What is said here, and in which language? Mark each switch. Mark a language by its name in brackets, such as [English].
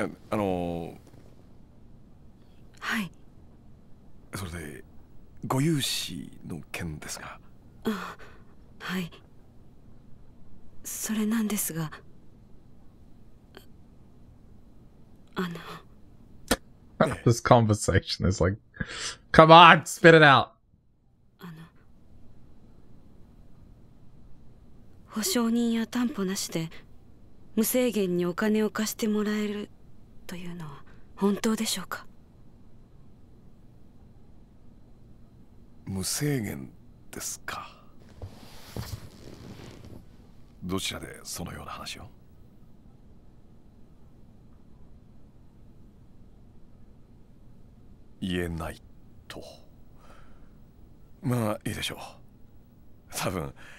[Japanese] あの、はい。それで、 ご融資の件ですが。あ、はい。 それなんですが。 [English] This conversation is like, come on, spit it out. [Japanese] 保証人や担保なしで無制限にお金を貸してもらえるというのは本当でしょうか？無制限ですか？どちらでそのような話を？言えないと。まあいいでしょう。多分。